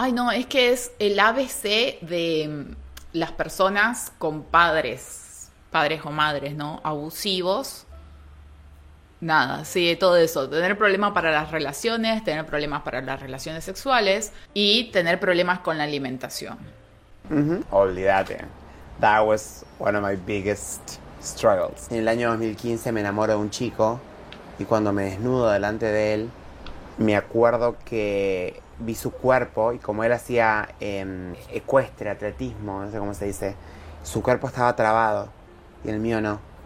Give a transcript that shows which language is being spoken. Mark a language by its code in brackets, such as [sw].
[es] Ay, no, es que es el ABC de las personas con padres o madres, ¿no? Abusivos. Nada, sí, todo eso. Tener problemas para las relaciones, tener problemas para las relaciones sexuales y tener problemas con la alimentación. Uh-huh. Olvídate. [en] That was one of my biggest struggles. [es] En el año 2015 me enamoro de un chico y cuando me desnudo delante de él, me acuerdo que vi su cuerpo y como él hacía ecuestre, atletismo, no sé cómo se dice, su cuerpo estaba trabado y el mío no.